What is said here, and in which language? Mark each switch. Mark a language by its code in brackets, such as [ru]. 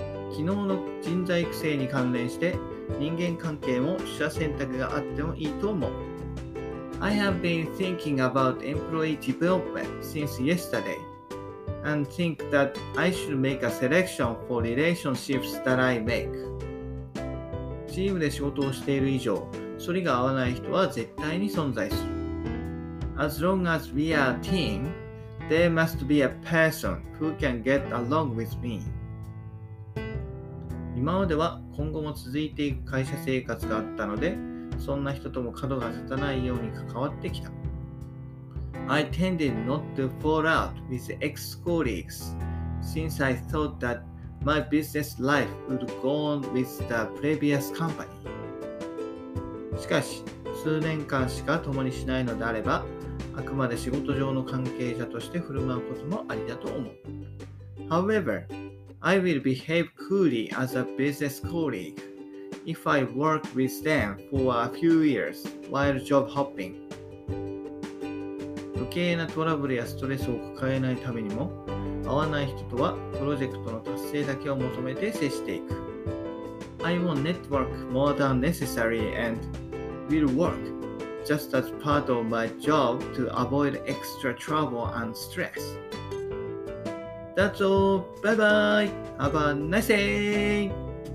[ja] 昨日の人材育成に関連して、人間関係も取捨選択があってもいいと思う。 [en] I have been thinking about employee development since yesterday, and think that I should make a selection for relationships that I make. [ja] チームで仕事をしている以上、反りが合わない人は絶対に存在する。 [en] As long as we are a team, there must be a person who can get along with me. [ja] 今までは今後も続いていく会社生活があったので、そんな人とも角が立たないように関わってきた。 [en] I tended not to fall out with ex-colleagues since I thought that my business life would go on with the previous company. [ja] しかし、数年間しか共にしないのであれば、あくまで仕事上の関係者として振る舞うこともありだと思う。 [en] However, I will behave coolly as a business colleague if I work with them for a few years while job hopping. [ja] 余計なトラブルやストレスを抱えないためにも、合わない人とはプロジェクトの達成だけを求めて接していく。 [en] I will network more than necessary and will work. Just as part of my job to avoid extra trouble and stress. That's all. Bye bye. Have a nice day.